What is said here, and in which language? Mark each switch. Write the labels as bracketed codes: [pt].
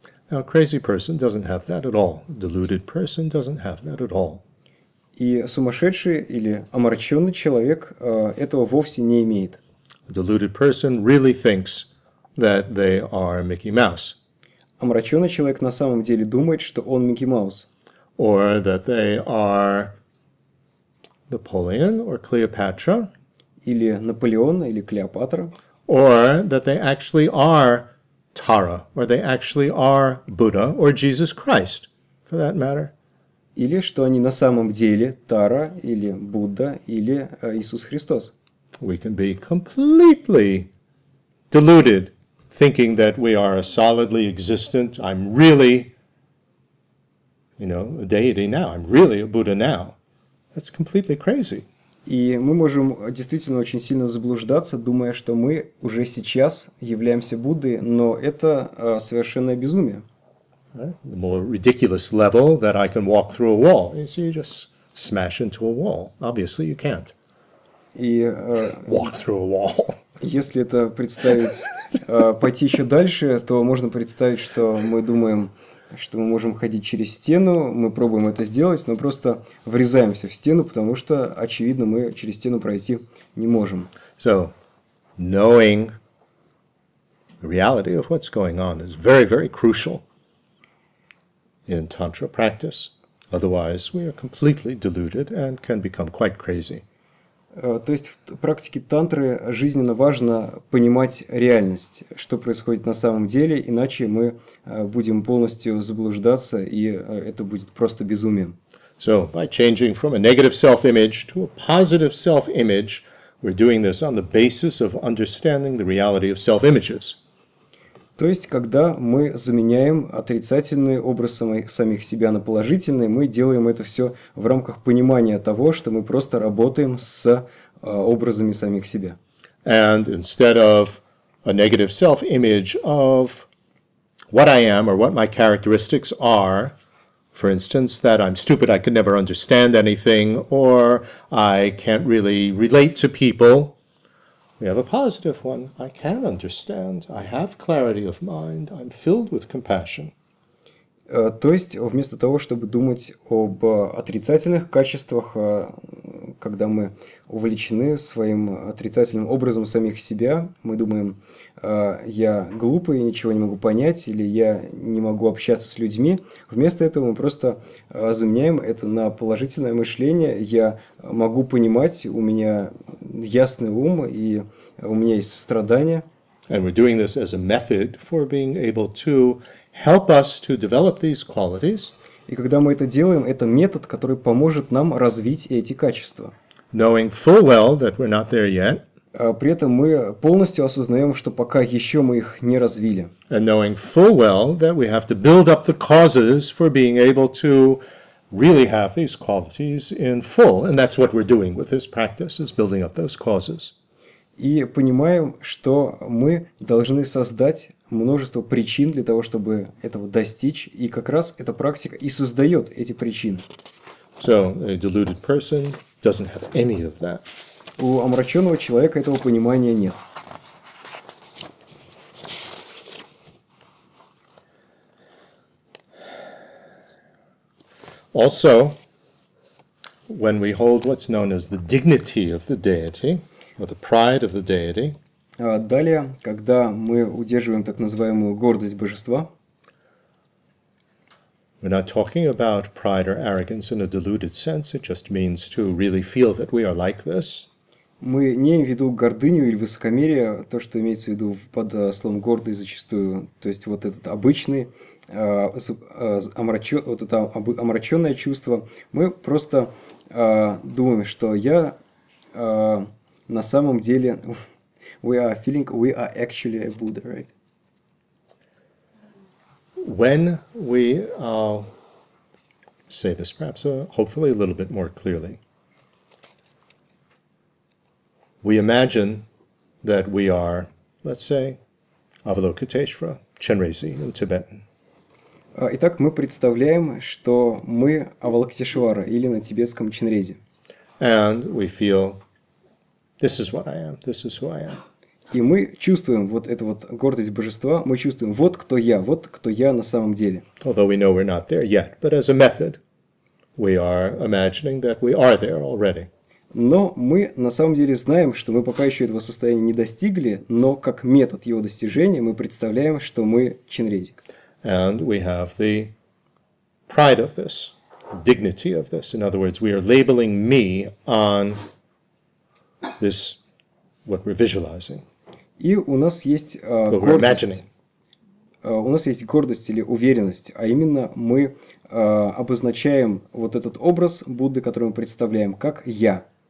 [en] Now, a crazy person doesn't have that at all. A deluded person doesn't have that at all. [ru] И сумасшедший или омраченный человек этого вовсе не имеет. [en] A deluded person really thinks that they are Mickey Mouse. [ru] Омраченный человек на самом деле думает, что он Микки Маус. [en] Or that they are Napoleon or Cleopatra. [ru] Или Наполеон или Клеопатра. [en] Or that they actually are Tara, or they actually are Buddha or Jesus Christ, for that matter. [ru] Или что они на самом деле Тара или Будда или Иисус Христос. [en] We can be completely deluded, thinking that we are a solidly existent, I'm really, you know, a deity now, I'm really a Buddha now. That's completely crazy. [ru] И мы можем действительно очень сильно заблуждаться, думая, что мы уже сейчас являемся Буддой, но это совершенное безумие. [en] Right? The more ridiculous level that I can walk through a wall. You see, you just smash into a wall. Obviously, you can't. Walk through a wall. [ru] Если это представить, пойти еще дальше, то можно представить, что мы думаем, что мы можем ходить через стену, мы пробуем это сделать, но просто врезаемся в стену, потому что, очевидно, мы через стену пройти не можем. [en] So, knowing the reality of what's going on is very, very crucial in tantra practice. Otherwise, we are completely deluded and can become quite crazy. [ru] То есть в практике тантры жизненно важно понимать реальность, что происходит на самом деле, иначе мы будем полностью заблуждаться, и это будет просто безумием. [en] So, by changing from a negative self-image to a positive self-image, we're doing this on the basis of understanding the reality of self-images. [ru] То есть, когда мы заменяем отрицательный образ самих себя на положительный, мы делаем это все в рамках понимания того, что мы просто работаем с образами самих себя. [en] And instead of a negative self-image of what I am or what my characteristics are, for instance, that I'm stupid, I could never understand anything, or I can't really relate to people, we have a positive one. I can understand. I have clarity of mind. I'm filled with compassion. [ru] То есть, вместо того, чтобы думать об отрицательных качествах, когда мы увлечены своим отрицательным образом самих себя, мы думаем, я глупый, ничего не могу понять, или я не могу общаться с людьми, вместо этого мы просто заменяем это на положительное мышление. Я могу понимать, у меня ясный ум, и у меня есть сострадание. [en] And we're doing this as a method for being able to help us to develop these qualities. [ru] И когда мы это делаем, это метод, который поможет нам развить эти качества. [en] Knowing full well that we're not there yet. [ru] При этом мы полностью осознаем, что пока еще мы их не развили. [en] And knowing full well that we have to build up the causes for being able to really have these qualities in full. And that's what we're doing with this practice, is building up those causes. [ru] И понимаем, что мы должны создать множество причин для того, чтобы этого достичь. И как раз эта практика и создает эти причины. [en] So, a deluded person doesn't have any of that. [ru] У омраченного человека этого понимания нет. [en] Also, when we hold what's known as the dignity of the deity, or the pride of the deity. [ru] Далее, когда мы удерживаем так называемую гордость божества. [en] We're not talking about pride or arrogance in a deluded sense. It just means to really feel that we are like this. [ru] Мы не имеем в виду гордыню или высокомерие, то, что имеется в виду под словом гордость зачастую, то есть вот этот обычный, вот это омраченное чувство. Мы просто думаем, что я... На самом деле, [en] we are feeling we are actually a Buddha, right? When we say this, perhaps hopefully a little bit more clearly, we imagine that we are, let's say, Avalokiteshvara, Chenrezi in Tibetan. [ru] Итак, мы представляем, что мы Авалокитешвара или на тибетском Ченрези. [en] And we feel. This is what I am. This is who I am. [ru] И мы чувствуем вот эту вот гордость божества. Мы чувствуем, вот кто я на самом деле. [en] Although we know we're not there yet, but as a method, we are imagining that we are there already. [ru] Но мы на самом деле знаем, что мы пока еще этого состояния не достигли, но как метод его достижения мы представляем, что мы чинредик. [en] And we have the pride of this, dignity of this. In other words, we are labeling me on this, what we're visualizing, [ru] И у нас есть [en] what we're [ru] гордость. [en] imagining. [ru] У нас есть гордость или уверенность, а именно мы обозначаем вот этот образ Будды, который мы представляем, как я.